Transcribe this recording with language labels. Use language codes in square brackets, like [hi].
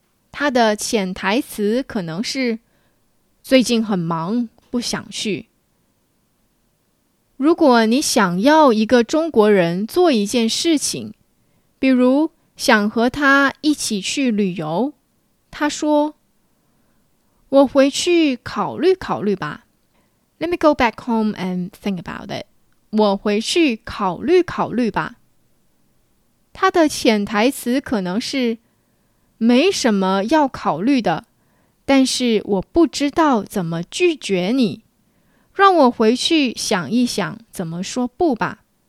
[zh] 他的潜台词可能是最近很忙，不想去。如果你想要一个中国人做一件事情，比如想和他一起去旅游，他说我回去考虑考虑吧。 [en] Let me go back home and think about it. [zh] 我回去考虑考虑吧。他的潜台词可能是没什么要考虑的，但是我不知道怎么拒绝你，让我回去想一想怎么说不吧。